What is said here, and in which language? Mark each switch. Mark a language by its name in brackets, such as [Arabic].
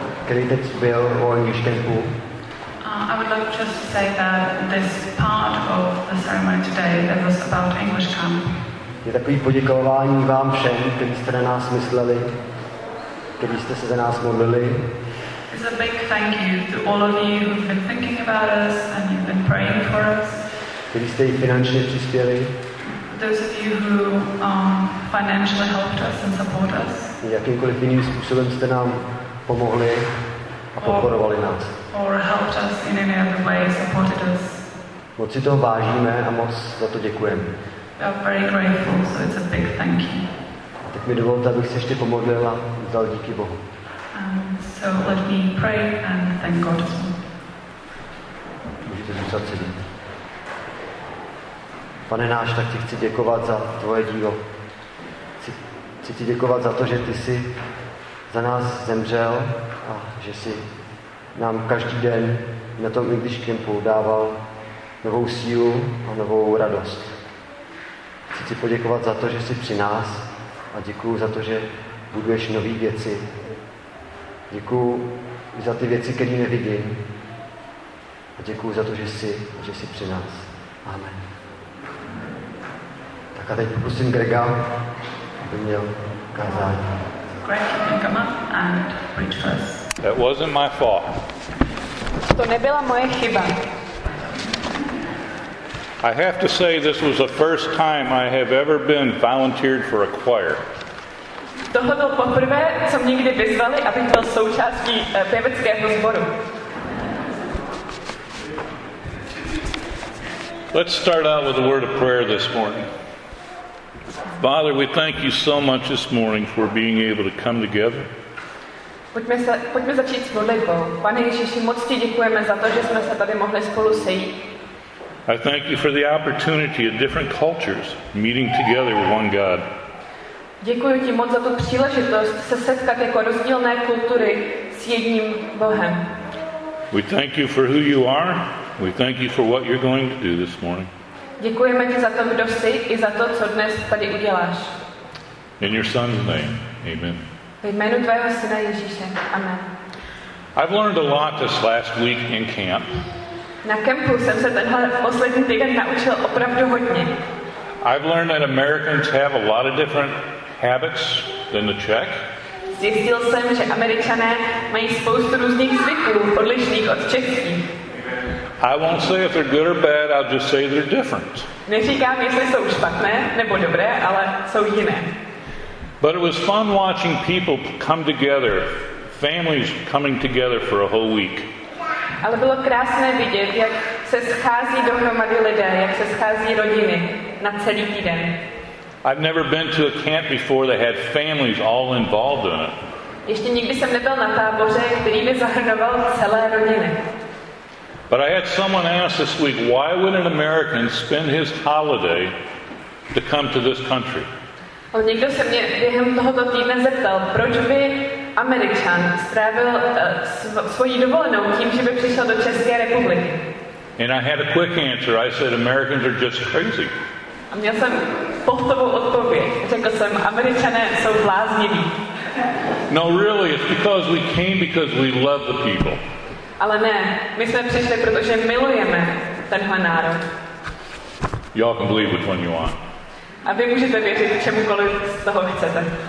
[Czech] který teď byl o Angličtěnku. [English] I would like just to say that this part of the ceremony today that was about English camp. [Czech] Je takový poděkování vám všem, kteří jste na nás mysleli, kteří jste se za nás modlili. [English] It's a big thank you to all of you who've been thinking about us and you've been praying for us. [Czech] Kteří jste finančně přispěli. [English] Those of you who financially helped us and support us. [Czech] Jakýmkoliv jiným způsobem jste nám pomohli a podporovali nás. [English] Or helped us in any other way, supported us. [Czech] Moc si toho vážíme a moc za to děkujeme. [English] We are very grateful, so it's a big thank you. [Czech] Tak mi dovolte, abych se ještě pomodlil a vzal díky Bohu. [English] So let me pray and thank God as well. [Czech] Můžete zůstat sedět. Pane náš, tak ti chci děkovat za tvoje dílo. Chci ti děkovat za to, že ty jsi za nás zemřel a že jsi nám každý den na tom English Campu dával novou sílu a novou radost. Chci ti poděkovat za to, že jsi při nás a děkuju za to, že buduješ nové věci. Děkuju za ty věci, které nevidím a děkuju za to, že jsi při nás. Amen. Tak a teď poprosím Grega, aby měl kázání. [English] Greg, you can come up and preach for us. It wasn't my fault. [Czech] To nebyla moje chyba. [English] I have to say this was the first time I have ever been volunteered for a choir. [Czech] Tohle bylo poprvé, co mě někdy vyzvali, abych byl součástí pěveckého sboru. [English] Let's start out with a word of prayer this morning. Father, we thank you so much this morning for being able to come together. [Czech] Pojďme začít s modlitbou. Pane Ježíši, moc ti děkujeme za to, že jsme se tady mohli spolu sejít. [English] I thank you for the opportunity of different cultures meeting together with one God. [Czech] Děkuji ti moc za tu příležitost se setkat jako rozdílné kultury s jedním Bohem. [English] We thank you for who you are. We thank you for what you're going to do this morning. [Czech] Děkujeme ti za to, kdo jsi i za to, co dnes tady uděláš. [English] In your son's name. Amen. [Czech] Ve jménu tvého syna Ježíše. [English] Amen. I've learned a lot this last week in camp. [Czech] Na kempu jsem se tenhle poslední týden naučil opravdu hodně. [English] I've learned that Americans have a lot of different habits than the Czech. [Czech] Zjistil jsem, že Američané mají spoustu různých zvyků, odlišných od českých. [English] I won't say if they're good or bad, I'll just say they're different. [Czech] Neříkám, jestli jsou špatné nebo dobré, ale jsou jiné. [English] But it was fun watching people come together, families coming together for a whole week. [Czech] Ale bylo krásné vidět, jak se schází dohromady lidé, jak se schází rodiny na celý týden. [English] I've never been to a camp before that had families all involved in it. [Czech] Ještě nikdy jsem nebyl na táboře, který by zahrnoval celé rodiny. [English] But I had someone ask this week, why would an American spend his holiday to come to this country? [Czech] Ale někdo se mě během tohoto týdne zeptal, proč by Američan strávil svoji dovolenou tím, že by přišel do České republiky. [English] And I had a quick answer. I said, Americans are just crazy. [Czech] A měl jsem pohotovou odpověď. Řekl jsem, Američané jsou blázniví. [English] No, really, it's because we came because we love the people. [Czech] Ale ne, my jsme přišli, protože milujeme tenhle národ. [English] Y'all can believe which one you want. [Czech] A vy můžete věřit čemukoliv z toho chcete.